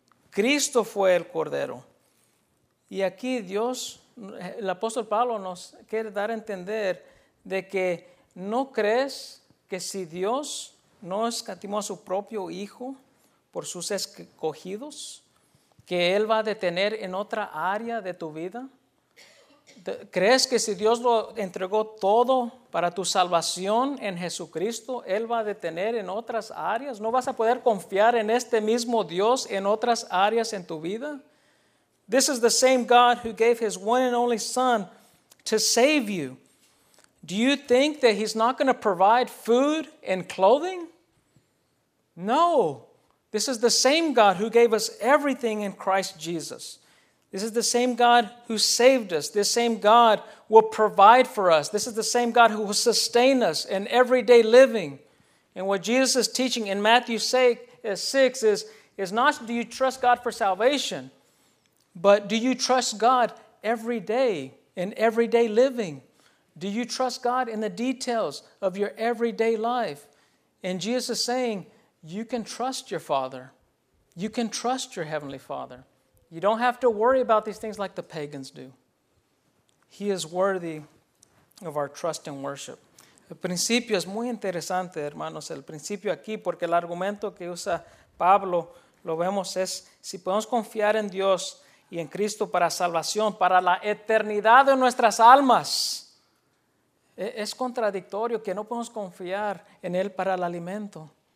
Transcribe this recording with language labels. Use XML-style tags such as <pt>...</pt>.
<es>Cristo fue el cordero. Y aquí Dios, el apóstol Pablo nos quiere dar a entender de que no crees que si Dios no escatimó a su propio hijo por sus escogidos, que Él va a detener en otra área de tu vida. ¿Crees que si Dios lo entregó todo para tu salvación en Jesucristo, Él va a detener en otras áreas? ¿No vas a poder confiar en este mismo Dios en otras áreas en tu vida?</es> <en>This is the same God who gave His one and only Son to save you. Do you think that He's not going to provide food and clothing? No. This is the same God who gave us everything in Christ Jesus. This is the same God who saved us. This same God will provide for us. This is the same God who will sustain us in everyday living. And what Jesus is teaching in Matthew 6 is not do you trust God for salvation, but do you trust God every day in everyday living? Do you trust God in the details of your everyday life? And Jesus is saying, you can trust your Father. You can trust your Heavenly Father. You don't have to worry about these things like the pagans do. He is worthy of our trust and worship.</en> <es>El principio es muy interesante, hermanos, el principio aquí, porque el argumento que usa Pablo, lo vemos, es si podemos confiar en Dios y en Cristo para salvación, para la eternidad de nuestras almas. Es contradictorio que no podemos confiar en Él para el alimento.</es>